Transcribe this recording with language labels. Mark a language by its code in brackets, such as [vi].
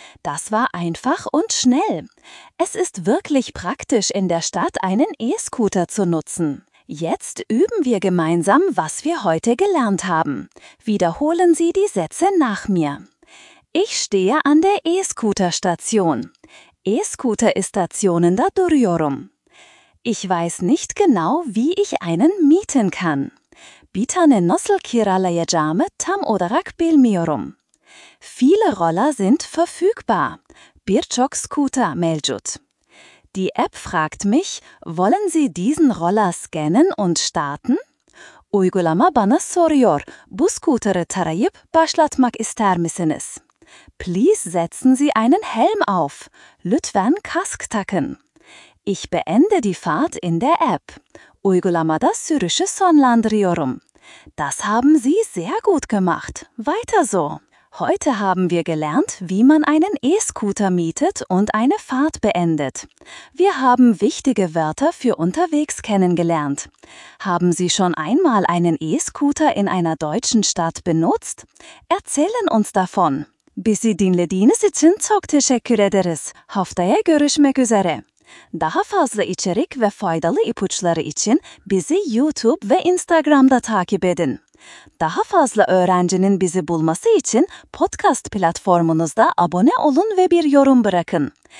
[de] Das war einfach und schnell. Es ist wirklich praktisch, in der Stadt einen E-Scooter zu nutzen. Jetzt üben wir gemeinsam, was wir heute gelernt haben. Wiederholen Sie die Sätze nach mir. Ich stehe an der E-Scooter-Station. [tr] E-Scooter-Stationen'da duruyorum. [de] Ich weiß nicht genau, wie ich einen mieten kann. [tr] Bitane nasıl kiralayacağımı tam olarak bilmiyorum. [de] Viele Roller sind verfügbar. [tr] Birçok scooter mevcut. [de] Die App fragt mich, wollen Sie diesen Roller scannen und starten? [tr] Uygulama bana soruyor, bu scooter'ı tarayıp başlatmak ister misiniz? [de] Please setzen Sie einen Helm auf. [tr] Lütfen kask takın. [de] Ich beende die Fahrt in der App. [tr] Uygulamada sürüşü sonlandırıyorum. [de] Das haben Sie sehr gut gemacht. Weiter so. Heute haben wir gelernt, wie man einen E-Scooter mietet und eine Fahrt beendet. Wir haben wichtige Wörter für unterwegs kennengelernt. Haben Sie schon einmal einen E-Scooter in einer deutschen Stadt benutzt? Erzählen uns davon. [tr] Bizi dinlediğiniz için çok teşekkür ederiz. Haftaya görüşmek üzere. Daha fazla içerik ve faydalı ipuçları için bizi YouTube ve Instagram'da takip edin. Daha fazla öğrencinin bizi bulması için podcast platformunuzda abone olun ve bir yorum bırakın.